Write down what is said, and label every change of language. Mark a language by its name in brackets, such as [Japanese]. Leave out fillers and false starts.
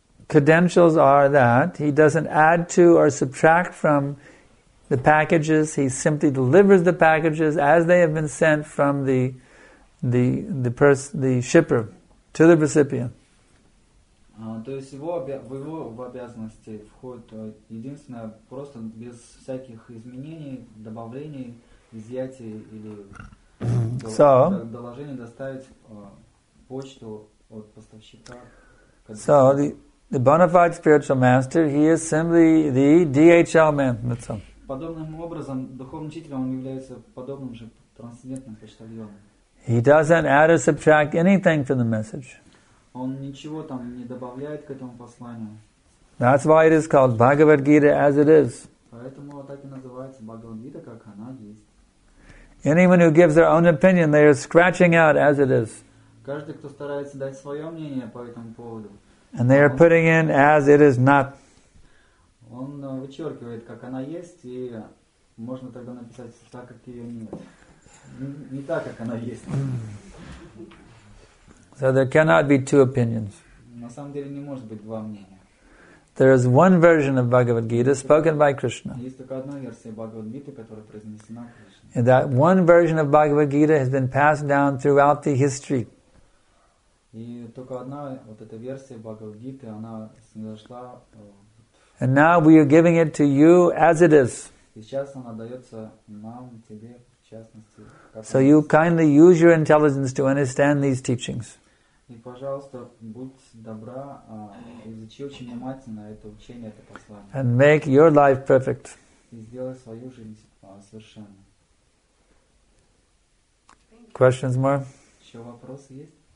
[English] credentials are that he doesn't add to or subtract from the packages. He simply delivers the packages as they have been sent from the shipper to the recipient. [Russian] То есть его в его в обязанности входит единственное просто без всяких изменений, добавлений, изъятий или доложений доставить почту от поставщика. [English] So the bona fide spiritual master, he is simply the DHL man. That's all. [Russian] Подобным образом духовным учителем он является подобным же трансцендентным почтальоном. [English] He doesn't add or subtract anything from the message. [Russian] Он ничего там не добавляет к этому посланию. [English] That's why it is called Bhagavad Gita as it is. [Russian] Поэтому так и называется Bhagavad Gita, как она есть. [English] Anyone who gives their own opinion, they are scratching out as it is. [Russian] Каждый, кто старается дать свое мнение по этому поводу. [English] And they are putting in as it is not. [Russian] Он вычеркивает, как она есть, и можно тогда написать так, как ее нет. Не так, как она есть. [English] So there cannot be two opinions. [Russian] На самом деле не может быть два мнения. [English] There is one version of Bhagavad Gita spoken by Krishna. [Russian] Есть только одна версия Бхагавад Гиты, которая произнесена Кришной. [English] And that one version of Bhagavad Gita has been passed down throughout the history. [Russian] И только одна вот эта версия Бхагавад Гиты, она снизошла. [English] And now we are giving it to you as it is. [Russian] И сейчас она дается нам, тебе, в частности. [English] So you kindly use your intelligence to understand these teachings. [Russian] И, пожалуйста, будь добра, изучи очень внимательно это учение, это послание. [English] And make your life perfect. [Russian] И сделай свою жизнь совершенной. [English] Questions more? [Russian] Еще вопросы есть?